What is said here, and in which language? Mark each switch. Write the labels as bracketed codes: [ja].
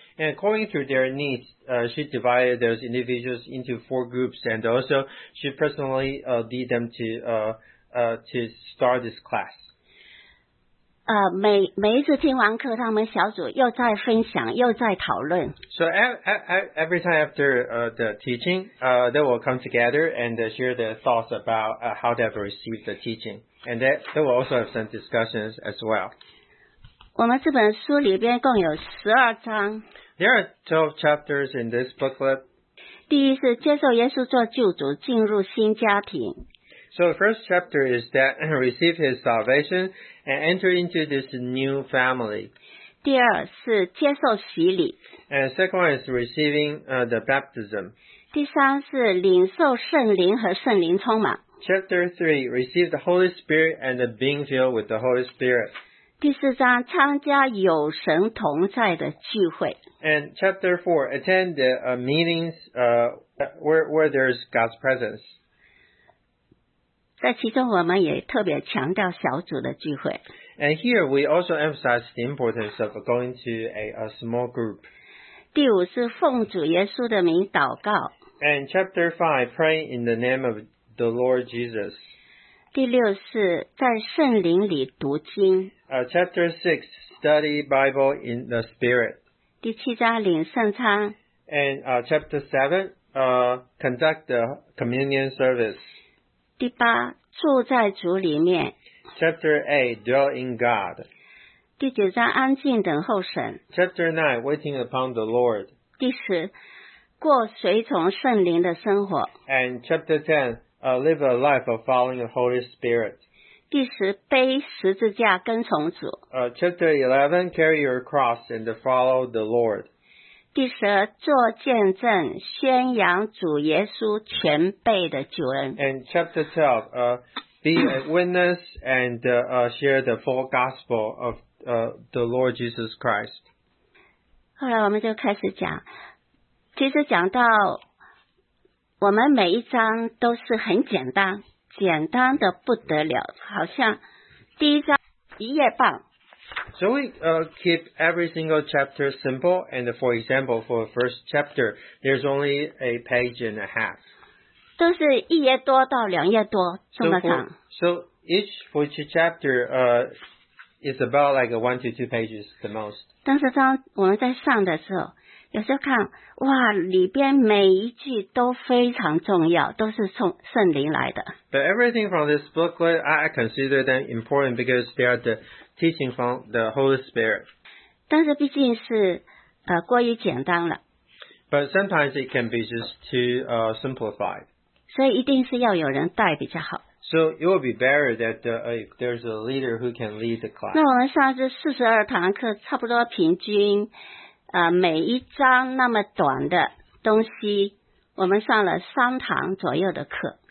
[en] And according to their needs, she divided those individuals into four groups, and also she personally lead them to start this class. [zh] 每一次听完课，他们小组又在分享，又在讨论。 [en] So every time after the teaching, they will come together and share their thoughts about how they have received the teaching. And they will also have some discussions as well. [zh] 我们这本书里边共有12章。 [en] There are 12 chapters in this booklet. [zh] 第一是接受耶稣做救主，进入新家庭。 [en] So the first chapter is that receive his salvation and enter into this new family. [zh] 第二是接受洗礼。 [en] And the second one is receiving the baptism. [zh] 第三是领受圣灵和圣灵充满。 [en] Chapter 3, receive the Holy Spirit and being filled with the Holy Spirit. [zh] 第四章，参加有神同在的聚会。 [en] And chapter 4, attend the meetings where there's God's presence. [zh] 在其中我们也特别强调小组的聚会。 [en] And here we also emphasize the importance of going to a small group. [zh] 第五是奉主耶稣的名祷告。 [en] And chapter 5, pray in the name of the Lord Jesus. [zh] 第六是在圣灵里读经。 [en] Chapter 6, study Bible in the Spirit. [zh] 第七章领圣餐。 [en] And chapter 7, conduct the communion service. [zh] 第八，住在主里面。 [en] Chapter 8, dwell in God. [zh] 第九章安静等候神。 [en] Chapter 9, waiting upon the Lord. [zh] 第十，过随从圣灵的生活。 [en] And chapter 10, live a life of following the Holy Spirit. [zh] 第十，背十字架跟从主。 [en] Chapter 11, carry your cross and follow the Lord. [zh] 第十二，做见证，宣扬主耶稣全备的救恩。 [en] And chapter 12, be a witness and share the full gospel of the Lord Jesus Christ. [zh] 后来我们就开始讲，其实讲到我们每一章都是很简单，简单的不得了，好像第一章一页半。 [en] So we keep every single chapter simple, and for example, for the first chapter, there's only a page and a half. [zh] 都是一页多到两页多，这么长。 [en] So each chapter is about like one to two pages the most. [zh] 但是当我们在上的时候，有时候看，哇，里边每一句都非常重要，都是从圣灵来的。 [en] But everything from this booklet, I consider them important because they are the teaching from the Holy Spirit. [zh] 但是毕竟是过于简单了。 [en] But sometimes it can be just too simplified. [zh] 所以一定是要有人带比较好。 [en] So it would be better that there's a leader who can lead the class. [zh] 那我们上次42堂课差不多平均每一章那么短的东西，我们上了三堂左右的课。